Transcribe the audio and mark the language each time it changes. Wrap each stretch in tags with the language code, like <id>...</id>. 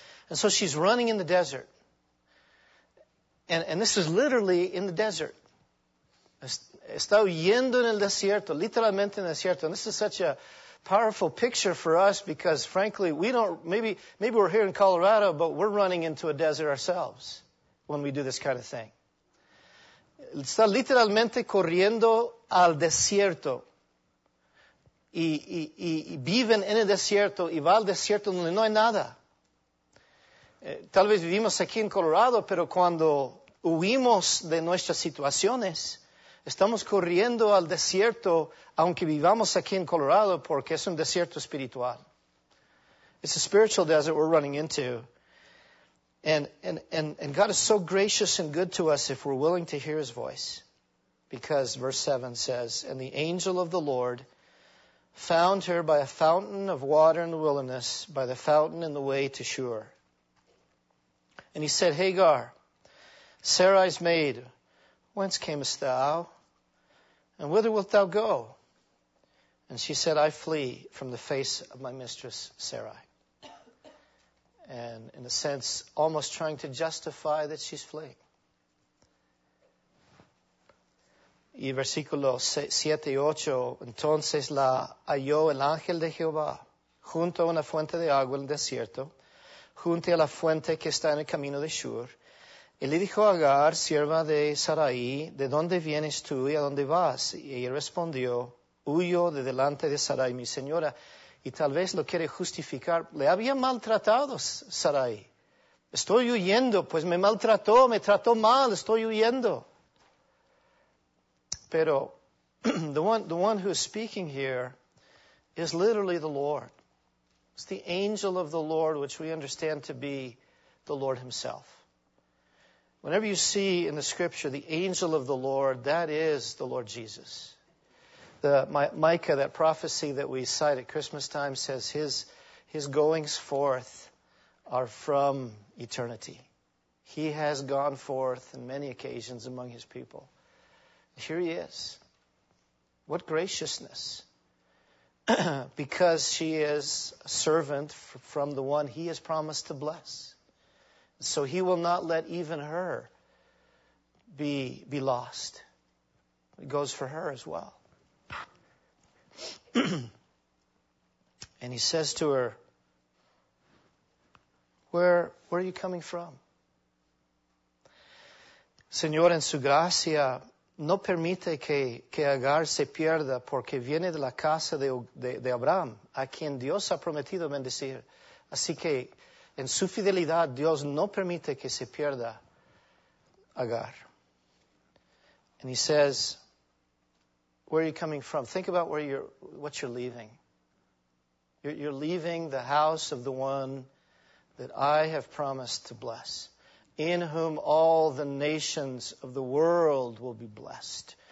<en>And so she's running in the desert. And this is literally in the desert.</en> <es>Está huyendo en el desierto, literalmente en el desierto.</es> <en>And this is such a powerful picture for us because, frankly, maybe we're here in Colorado, but we're running into a desert ourselves when we do this kind of thing.</en> <es>Está literalmente corriendo al desierto. Y viven en el desierto y va al desierto donde no hay nada. Tal vez vivimos aquí en Colorado, pero cuando huimos de nuestras situaciones, estamos corriendo al desierto, aunque vivamos aquí en Colorado, porque es un desierto espiritual.</es> <en>It's a spiritual desert we're running into. And God is so gracious and good to us if we're willing to hear His voice. Because verse 7 says, and the angel of the Lord found her by a fountain of water in the wilderness, by the fountain in the way to Shur. And he said, Hagar, Sarai's maid, whence camest thou? And whither wilt thou go? And she said, I flee from the face of my mistress Sarai. And in a sense, almost trying to justify that she's fleeing.</en> <es>Y versículo 7 y 8, entonces la halló el ángel de Jehová junto a una fuente de agua en el desierto, junte a la fuente que está en el camino de Shur. Y le dijo a Agar, sierva de Sarai, ¿de dónde vienes tú y a dónde vas? Y ella respondió, huyo de delante de Sarai, mi señora. Y tal vez lo quiere justificar. Le había maltratado Sarai. Estoy huyendo, pues me maltrató, me trató mal, estoy huyendo.</es> <en>Pero the one who is speaking here is literally the Lord. It's the angel of the Lord, which we understand to be the Lord himself. Whenever you see in the scripture the angel of the Lord, that is the Lord Jesus. The Micah, that prophecy that we cite at Christmas time, says his goings forth are from eternity. He has gone forth in many occasions among his people. Here he is. What graciousness. Because she is a servant from the one he has promised to bless. So he will not let even her be lost. It goes for her as well. And he says to her, Where are you coming from?</en> <es>Señor, en su gracia, no permite que Agar se pierda porque viene de la casa de Abraham, a quien Dios ha prometido bendecir. Así que, en su fidelidad, Dios no permite que se pierda Agar.</es> <en>And he says, where are you coming from? Think about what you're leaving. You're leaving the house of the one that I have promised to bless, in whom all the nations of the world will be blessed.</en>